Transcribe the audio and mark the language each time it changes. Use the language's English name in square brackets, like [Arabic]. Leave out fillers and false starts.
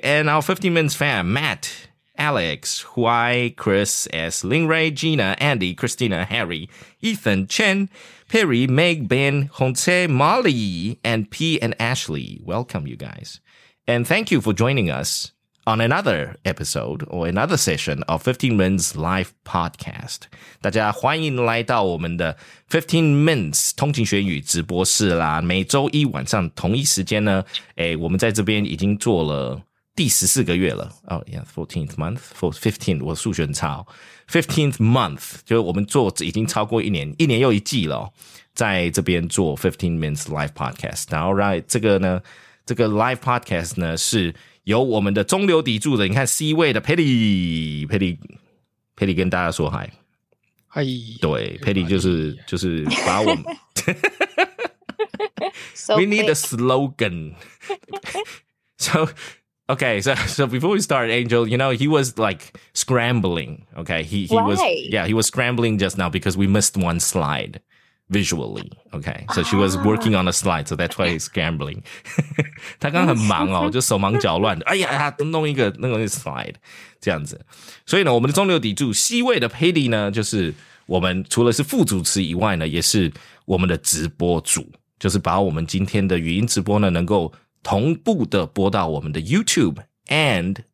[English] And our 15 Minutes fam, Matt, Alex, Huai, Chris, S, Lingray, Gina, Andy, Christina, Harry, Ethan, Chen, Perry, Meg, Ben, Honse, Molly, and P and Ashley. Welcome, you guys. And thank you for joining us on another episode or another session of 15 Minutes Live Podcast. [Chinese] 大家欢迎来到我们的15 Minutes 通勤学语直播室啦。每周一晚上同一时间呢，诶，我们在这边已经做了第14个月了。 [English] Oh, yeah, 14th month, 15th, [Chinese] 我数学很差哦。 15th month, 就是我们做已经超过一年，一年又一季了哦，在这边做15 Minutes Live Podcast。然后让这个呢，这个 Live Podcast 呢是由我们的中流砥柱的，你看 C 位的 Petty 跟大家说嗨。嗨。对 ,Petty 就是把我们。 [English] so、 we need a slogan. So before we start, Angel, you know, he was like scrambling, okay? He was scrambling just now because we missed one slide visually, okay? So she was working on a slide, so that's why he's scrambling. [Chinese] 他刚刚很忙哦，就手忙脚乱的，哎呀，弄一个那个 slide, 这样子。所以呢，我们的中流砥柱 C 位的 Paddy 呢，就是我们除了是副主持以外呢，也是我们的直播主，就是把我们今天的语音直播呢，能够同步的播到我们的 YouTube and